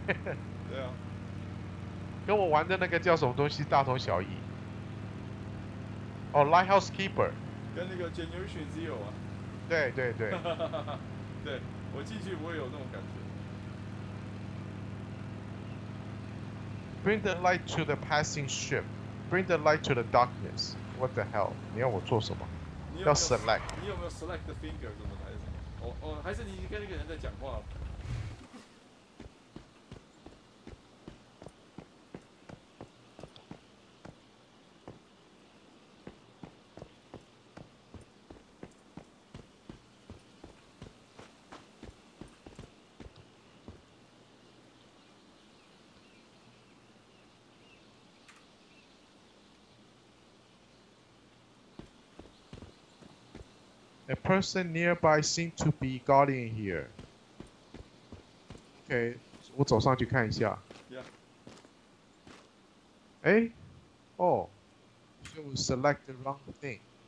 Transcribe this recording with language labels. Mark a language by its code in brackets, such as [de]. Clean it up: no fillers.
[zh] 对啊，跟我玩的那个叫什么东西大同小异。 [en] 哦、oh, ，Lighthouse Keeper。 [zh] 跟那个 Generation Zero 啊。对对对。对，我进去我也有那种感觉。 [en] Bring the light to the passing ship. Bring the light to the darkness. What the hell？ [zh] 你要我做什么？要 [en] select。 [zh] 你有没有 [en] select the finger [zh] 什么的？还是你跟那个人在讲话 [en] A person nearby seems to be guarding here. [zh] Okay, 我走上去看一下。 [en] Yeah. 哎，哦， [zh] 所以我 [en] select the wrong thing.